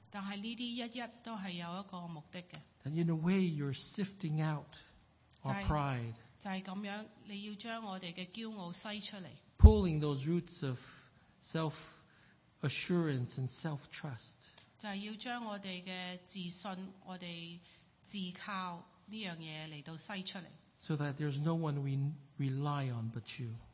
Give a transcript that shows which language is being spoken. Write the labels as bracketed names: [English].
[English] That in a way you're sifting out our pride. [Chinese] 就是这样, 你要将我们的骄傲筛出来, [English] pulling those roots of self-assurance and self-trust. [Chinese] 就是要将我们的自信, 我们自靠这件事来筛出来, [English] so that there's no one we rely on but you.